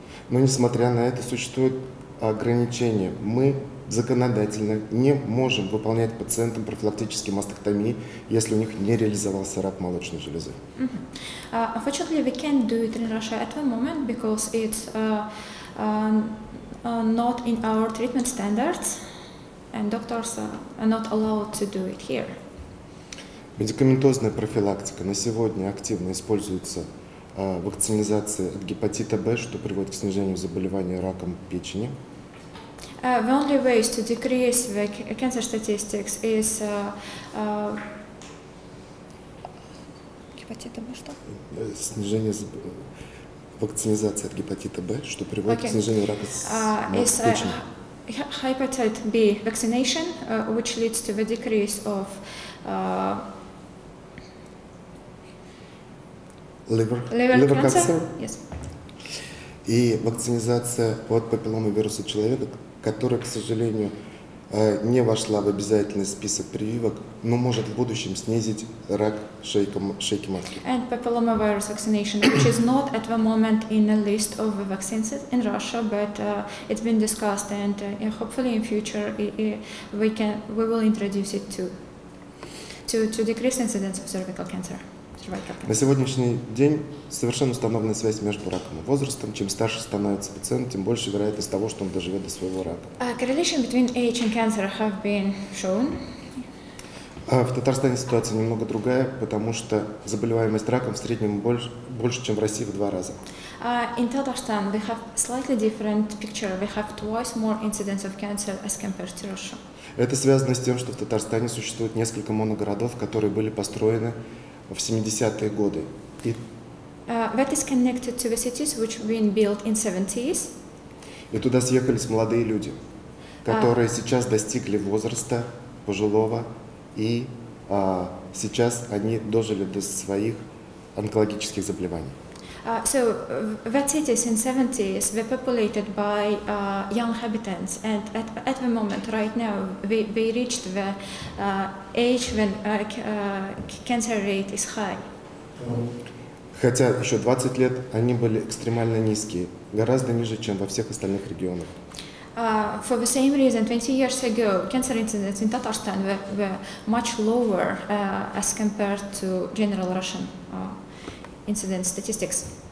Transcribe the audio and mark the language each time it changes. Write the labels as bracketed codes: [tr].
[ru] Но несмотря на это, существуют ограничения. Мы законодательно не можем выполнять пациентам профилактические мастектомии, если у них не реализовался рак молочной железы. [en] Unfortunately, we can't do it in Russia at the moment because it's not in our treatment standards, and doctors are not allowed to do it here. [ru] Медикаментозная профилактика на сегодня активно используется вакцинизации от гепатита B, что приводит к снижению заболевания раком печени. [en] The only way to decrease the cancer statistics is [ru] гепатита B, что? Снижение вакцинизации от гепатита B, что приводит к снижению рака печени. [en] Hepatitis B vaccination, which leads to the decrease of liver cancer. Yes. [ru] И вакцинизация от папилломы вируса человека, которая, к сожалению, не вошла в обязательный список прививок, но может в будущем снизить рак шейки матки. [en] And papillomavirus vaccination, which is not at the moment in the list of the vaccines in Russia, but it's been discussed, and hopefully in future we will introduce it to decrease incidence of cervical cancer. [ru] На сегодняшний день совершенно установлена связь между раком и возрастом. Чем старше становится пациент, тем больше вероятность того, что он доживет до своего рака. [en] Correlation between age and cancer have been shown. [ru] В Татарстане ситуация немного другая, потому что заболеваемость раком в среднем больше, чем в России в два раза. [en] In Tatarstan we have slightly different picture. We have twice more incidence of cancer as compared to Russia. [ru] Это связано с тем, что в Татарстане существует несколько моногородов, которые были построены в 70-е годы. [en] That is connected to the cities which been built in 70s. [ru] И туда съехались молодые люди, которые сейчас достигли возраста пожилого, и сейчас они дожили до своих онкологических заболеваний. [en] So that cities in 70s were populated by young inhabitants, and at the moment right now we reached the age when cancer rate is high. [ru] Хотя еще 20 лет они были экстремально низкие, гораздо ниже, чем во всех остальных регионах. [en] For the same reason, 20 years ago, cancer incidence in Tatarstan were much lower as compared to general Russian incident statistics.